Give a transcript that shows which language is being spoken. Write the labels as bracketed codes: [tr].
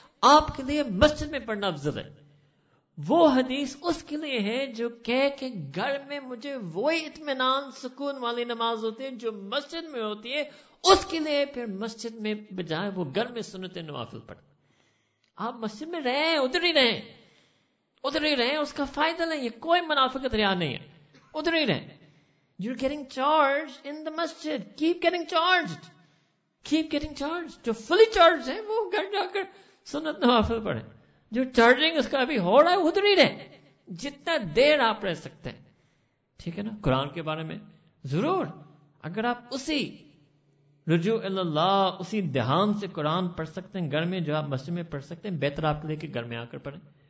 [ur] آپ کے لیے مسجد میں پڑھنا افضل ہے. وہ حدیث اس کے لیے ہے جو کہے کہ گھر میں مجھے وہی اطمینان سکون والی نماز ہوتی ہے جو مسجد میں ہوتی ہے, اس کے لیے پھر مسجد میں بجائے وہ گھر میں سنت نوافل پڑھ. آپ مسجد میں رہیں, ادھر ہی رہیں, ادھر ہی رہیں, اس کا فائدہ لیں, یہ کوئی منافقت ریا نہیں ہے, ادھر ہی رہیں. [en] You getting charge in the مسجد, keep getting charge, keep getting charge. [ur] جو فلی چارج ہے وہ گھر جا کر سنت نوافل پڑھیں, جو چارجنگ اس کا ابھی ہو رہا ہے ادھر ہی رہے جتنا دیر آپ رہ سکتے ہیں, ٹھیک ہے نا؟ قرآن کے بارے میں ضرور, اگر آپ اسی رجوع اللہ اسی دھیان سے قرآن پڑھ سکتے ہیں گھر میں جو آپ مسجد میں پڑھ سکتے ہیں, بہتر آپ کے لیے کہ گھر میں آ کر پڑھیں.